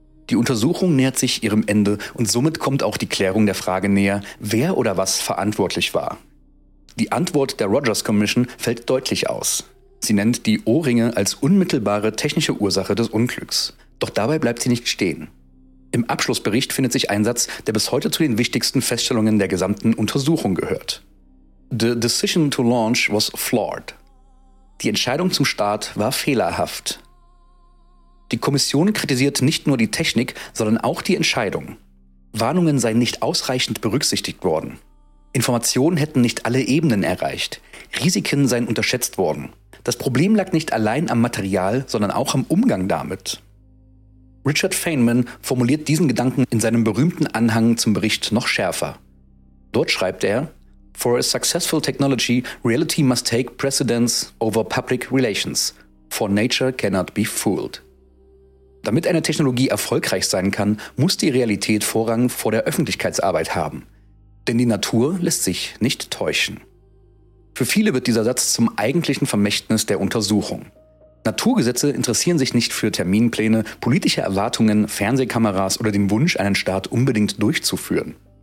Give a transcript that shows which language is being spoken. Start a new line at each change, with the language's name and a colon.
German: Die Untersuchung nähert sich ihrem Ende und somit kommt auch die Klärung der Frage näher, wer oder was verantwortlich war. Die Antwort der Rogers Commission fällt deutlich aus. Sie nennt die O-Ringe als unmittelbare technische Ursache des Unglücks. Doch dabei bleibt sie nicht stehen. Im Abschlussbericht findet sich ein Satz, der bis heute zu den wichtigsten Feststellungen der gesamten Untersuchung gehört.
English: The decision to launch was flawed.
German: Die Entscheidung zum Start war fehlerhaft. Die Kommission kritisiert nicht nur die Technik, sondern auch die Entscheidung. Warnungen seien nicht ausreichend berücksichtigt worden. Informationen hätten nicht alle Ebenen erreicht. Risiken seien unterschätzt worden. Das Problem lag nicht allein am Material, sondern auch am Umgang damit. Richard Feynman formuliert diesen Gedanken in seinem berühmten Anhang zum Bericht noch schärfer. Dort schreibt er:
English: For a successful technology, reality must take precedence over public relations. For nature cannot be fooled.
German: Damit eine Technologie erfolgreich sein kann, muss die Realität Vorrang vor der Öffentlichkeitsarbeit haben. Denn die Natur lässt sich nicht täuschen. Für viele wird dieser Satz zum eigentlichen Vermächtnis der Untersuchung. Naturgesetze interessieren sich nicht für Terminpläne, politische Erwartungen, Fernsehkameras oder den Wunsch, einen Start unbedingt durchzuführen.